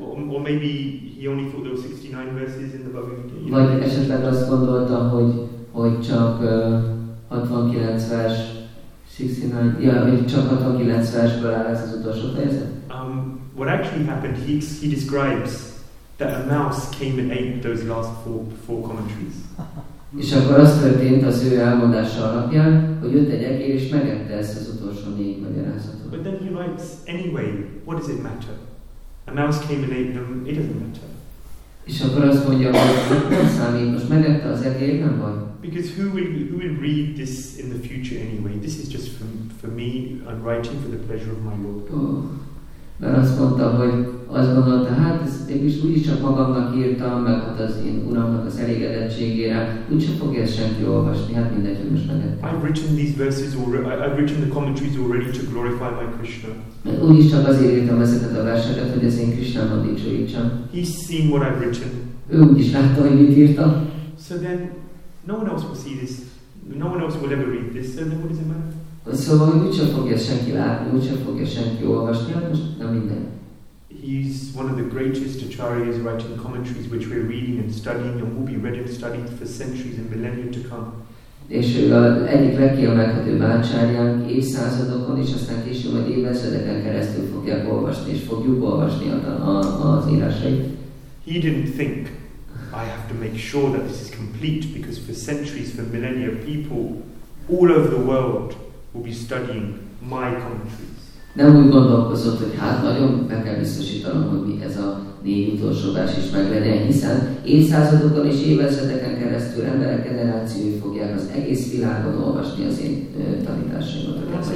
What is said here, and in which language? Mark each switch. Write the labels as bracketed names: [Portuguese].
[English] Or maybe he only thought there were 69 verses in the Bhagavad Gita. [Hungarian] Vagy esetleg azt gondolta, hogy csak 69 vers, 69, ja, csak 69 versből áll ez az utolsó fejezet? [English] What actually happened, he describes that a mouse came and ate those last four commentaries. [Hungarian] És akkor azt történt az ő elmondása alapján, hogy jött egy egér és megette ezt az utolsó négy magyarázatot. [English] But then he writes, anyway, what does it matter? A mouse came and ate them, it doesn't matter. [Hungarian] És akkor azt mondja, hogy nem számít, most megette az egér, nem baj. [English] Because who will read this in the future anyway? This is just for me, I'm writing for the pleasure of my Lord. [Hungarian] Mert azt mondta, hogy azt gondolta, hát ez én is úgyis csak magamnak írtam, meg hát az én uramnak az elégedettségére, úgyse fogja ezt senki olvasni, hát mindegy, hogy most megettem. [English] I've written these verses, I've written the commentaries already to glorify my Krishna. [Hungarian] Mert úgyis csak azért írtam ezeket a verseket, hogy az én Krishnámat dicsőítsam. [English] He's seen what I've written. [Hungarian] Ő úgyis látta, hogy mit írtam. [English] So then, no one else will see this. No one else will ever read this, so then what does it matter? [Hungarian] Szóval, hogy úgysem fogja senki látni, úgysem fogja senki olvasni, hát most nem minden. [English] He's one of the greatest acharyas writing commentaries which we're reading and studying and will be read and studied for centuries and millennia to come. [Hungarian] És ő az egyik legkiemelkedőbb acharyán évszázadokon, és aztán később majd évezredeken keresztül fogják olvasni, és fogjuk olvasni az írásait. [English] He didn't think, I have to make sure that this is complete, because for centuries, for millennia, people all over the world will be studying my commentaries. [Hungarian] Nem úgy gondolkozott, hogy hát nagyon meg kell biztosítanom, hogy mi ez a négy utolsó vers is meglegyen, hiszen évszázadokon és évezredeken keresztül emberek generációi fogják az egész világon olvasni az én tanításaimat.